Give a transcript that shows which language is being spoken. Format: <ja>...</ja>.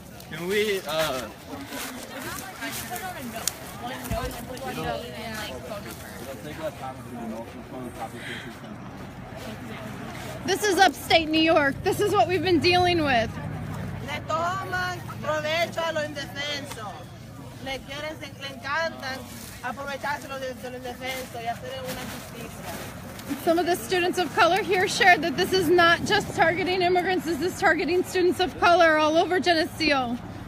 <en>Can we, This is upstate New York. This is what we've been dealing with.</en> <es>Le toman provecho a los indefensos. Le quieren, le encantan aprovecharse de los indefensos y hacer una justicia.</es> <en>some of the students of color here shared that this is not just targeting immigrants, this is targeting students of color all over Geneseo.</en>